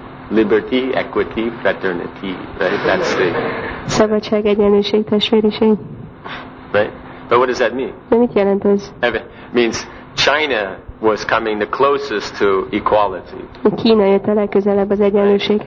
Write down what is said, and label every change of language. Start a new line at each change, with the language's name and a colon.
English: Liberty, equity, fraternity, right? That's the...
Hungarian: Szabadság, egyenlőség, testvériség.
English: Right? But what does that mean?
Hungarian: De mit jelent ez?
English: It means China was coming the closest to equality.
Hungarian: Kína jött a legközelebb az egyenlőséghez.